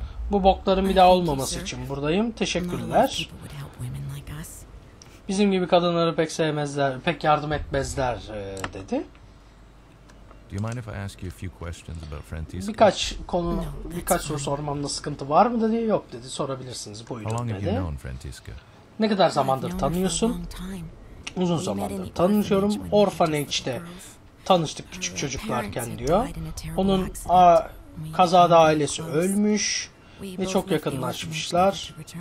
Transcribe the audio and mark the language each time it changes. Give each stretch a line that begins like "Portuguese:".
Turkish: Bu bokların bir daha olmaması için buradayım. Teşekkürler. Bizim gibi kadınları pek sevmezler, pek yardım etmezler dedi.
English: Do you mind if I ask you a few questions about Frantis?
Turkish: Birkaç soru sormamda sıkıntı var mı dedi? Yok dedi. Sorabilirsiniz. Buyurun dedi. Ne kadar zamandır tanıyorsun? Uzun zamandır tanışıyorum. Orphanage'de tanıştık küçük çocuklarken diyor. Onun kazada ailesi ölmüş ve çok yakınlaşmışlar.